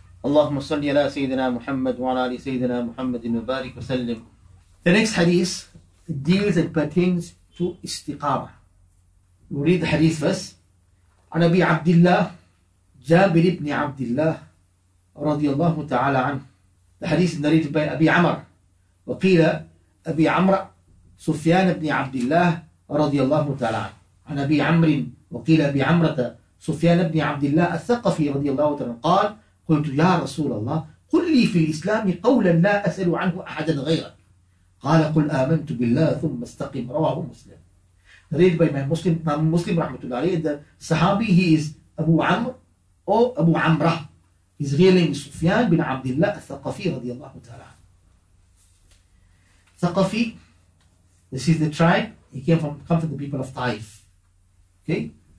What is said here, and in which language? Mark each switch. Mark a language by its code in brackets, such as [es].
[ar] اللهم صل على سيدنا محمد وعلى آل سيدنا محمد وبارك وسلم. [en] The next hadith deals and pertains to استقامة. We read the hadith first. [ar] عن أبي عبد الله جابر بن عبد الله رضي الله تعالى عنه. [en] The hadith is narrated by أبي عمر. [ar] وقيل أبي عمر سفيان بن عبد الله رضي الله تعالى عنه. عن أبي عمر وقيل أبي عمرة سفيان بن عبد الله الثقفي رضي الله تعالى قال قلت يا رسول الله قل لي في الإسلام قولا لا أسأل عنه أحدا غيره قال قل آمنت بالله ثم استقم رواه مسلم. [en] Read by Imam Muslim [ar] رحمة الله عليه. [en] The Sahabi, he is Abu Amr or Abu Amra. His real name is Sufyan bin Abdullah الثقفي [ar] رضي الله تعالى. [en] ثقفي, this is the tribe he came from the people of Taif. Okay.